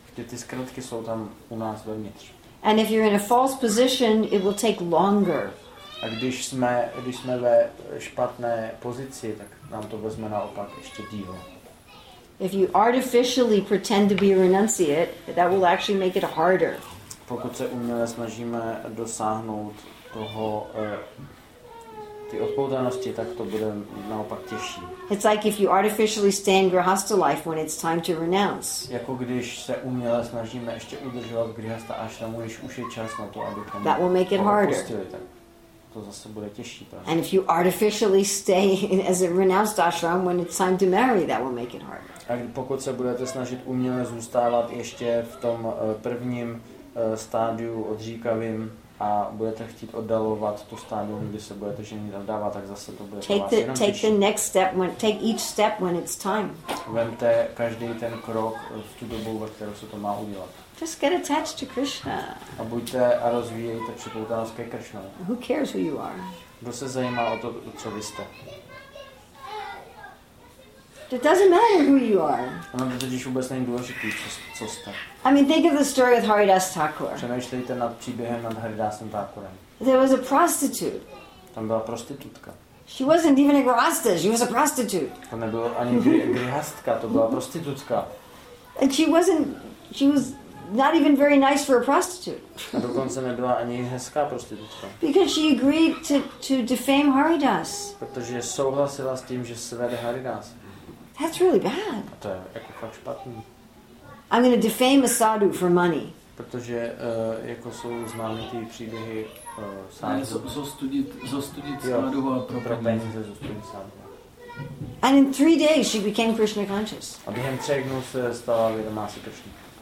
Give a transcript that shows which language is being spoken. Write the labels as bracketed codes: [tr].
[cs] Ty zkratky jsou tam u nás vevnitř. [en] And if you're in a false position, it will take longer. [cs] A když jsme ve špatné pozici, tak nám to vezme naopak ještě díl. [en] If you artificially pretend to be a renunciate, that will actually make it harder. [cs] Pokud se uměle snažíme dosáhnout toho ty odpoutanosti, tak to bude naopak těžší. [en] It's like if you artificially stay in grihastha life when it's time to renounce. [cs] Jako když se uměle snažíme ještě udržovat grihastha ashramu, když už je čas na to, abychom. [en] That will make it harder. [cs] To zase bude těžší, právě. [en] And if you artificially stay in, as a renounced ashram when it's time to marry, that will make it harder. [cs] A pokud se budete snažit uměle zůstávat ještě v tom prvním stádiu odříkavým a budete chtít oddalovat tu stádium, kdy se budete ženit a vdávat, tak zase to bude [en] take each step when it's time. [cs] Vemte každý ten krok v tu dobu, ve kterou se to má udělat. [en] Just get attached to Krishna. [cs] A buďte a rozvíjejte připoutanost ke Krishna. [en] Who cares who you are? [cs] Kdo se zajímá o to, co vy jste? [en] It doesn't matter who you are. [cs] No, to totiž vůbec není důležitý, co jste. [en] I mean, think of the story with Haridas Thakur. [cs] Přemýšlejte nad příběhem nad Haridasem Thakurem. [en] There was a prostitute. [cs] Tam byla prostitutka. [en] She wasn't even a grihastha, she was a prostitute. [cs] To nebyla ani grihastka, to byla prostitutka. [en] And she was not even very nice for a prostitute. [cs] A dokonce nebyla ani hezká prostitutka. [en] Because she agreed to defame Haridas. [cs] Protože souhlasila s tím, že svede Haridas. [en] That's really bad. [cs] A to je jako fakt špatný. [en] I'm going to defame a sadhu for money. [cs] Protože jako jsou známé ty příběhy sadhu. Zostudit sadhu a pro peníze. Zostudit sadhu. [en] And in 3 days she became Krishna conscious. [cs] A během 3 dnů se stala vědomá si Krishna.